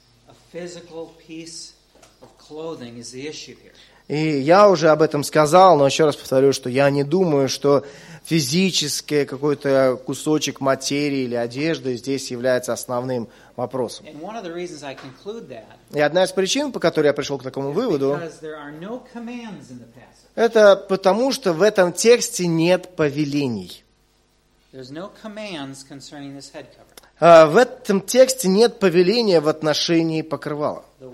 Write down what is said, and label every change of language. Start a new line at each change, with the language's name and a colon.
English: A physical piece of clothing is the issue here.
Russian: И я уже об этом сказал, но еще раз повторю, что я не думаю, что физический какой-то кусочек материи или одежды здесь является основным вопросом.
English: And one of the reasons I conclude that,
Russian: и одна из причин, по которой я пришел к такому выводу,
English: because there are no commands in the passage.
Russian: Это потому, что в этом тексте нет повелений.
English: There's no commands concerning this head cover.
Russian: В этом тексте нет повеления в отношении покрывала.